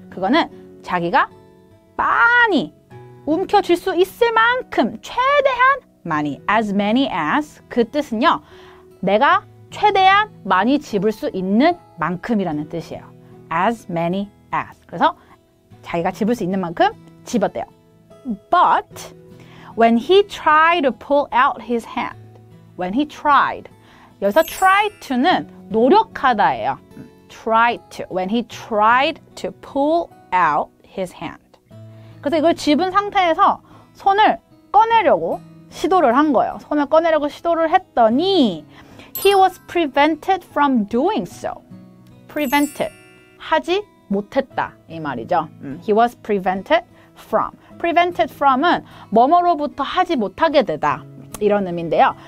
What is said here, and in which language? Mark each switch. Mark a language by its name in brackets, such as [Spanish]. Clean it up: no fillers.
[Korean] 그거는 자기가 많이 움켜쥘 수 있을 만큼 최대한 많이. [English] As many as. [Korean] 그 뜻은요. 내가 최대한 많이 집을 수 있는 만큼이라는 뜻이에요. [English] As many as. [Korean] 그래서 자기가 집을 수 있는 만큼 집었대요. [English] But when he tried to pull out his hand, when he tried, [Korean] 여기서 try to는 노력하다예요. [English] Try to, when he tried to pull out his hand. [Korean] 그래서 이걸 집은 상태에서 손을 꺼내려고 시도를 한 거예요. 손을 꺼내려고 시도를 했더니 [English] he was prevented from doing so. [Korean] Prevented, 하지 못했다 이 말이죠. [English] He was prevented from. [Korean] Prevented from은 뭐뭐로부터 하지 못하게 되다 이런 의미인데요.